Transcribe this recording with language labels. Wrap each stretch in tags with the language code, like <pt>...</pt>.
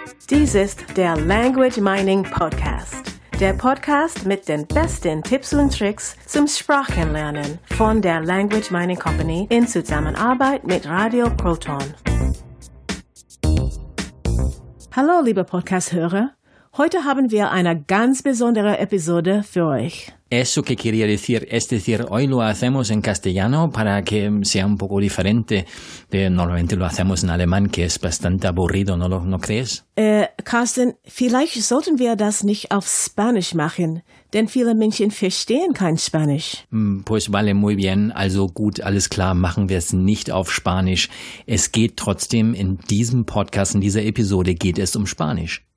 <de>Dies ist der Language Mining Podcast. Der Podcast mit den besten Tipps und Tricks zum Sprachenlernen von der Language Mining Company in Zusammenarbeit mit Radio Proton. Hallo, liebe Podcast-Hörer. Heute haben wir eine ganz besondere Episode für euch.</de> <es>Eso que quería decir, es decir, hoy lo hacemos en castellano para que sea un poco diferente. Normalmente lo hacemos en alemán, que es bastante aburrido, ¿no crees?</es> <de>Carsten, vielleicht sollten wir das nicht auf Spanisch machen, denn viele Menschen verstehen kein Spanisch.</de> <es>Pues vale, muy bien.</es> <de>Also gut, alles klar, machen wir es nicht auf Spanisch. Es geht trotzdem in diesem Podcast, in dieser Episode, geht es um Spanisch.</de>